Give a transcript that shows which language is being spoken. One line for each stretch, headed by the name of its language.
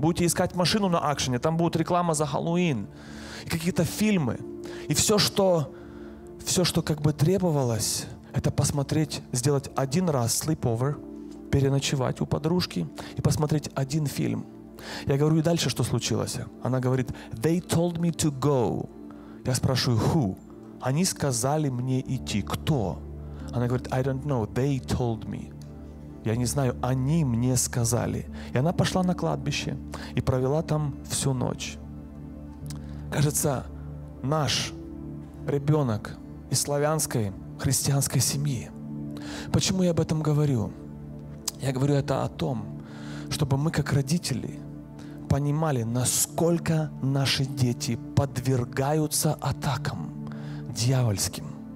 Russian: Будете искать машину на акшене, там будет реклама за Хэллоуин. И какие-то фильмы. И все, что как бы требовалось, это посмотреть, сделать один раз sleepover, переночевать у подружки и посмотреть один фильм. Я говорю, и дальше что случилось? Она говорит,
English: they told me to go.
Russian: Я спрашиваю,
English: who?
Russian: Они сказали мне идти. Кто? Она говорит,
English: I don't know, they told me.
Russian: Я не знаю, они мне сказали. И она пошла на кладбище и провела там всю ночь. Кажется, наш ребенок из славянской христианской семьи. Почему я об этом говорю? Я говорю это о том, чтобы мы как родители понимали, насколько наши дети подвергаются атакам дьявольским.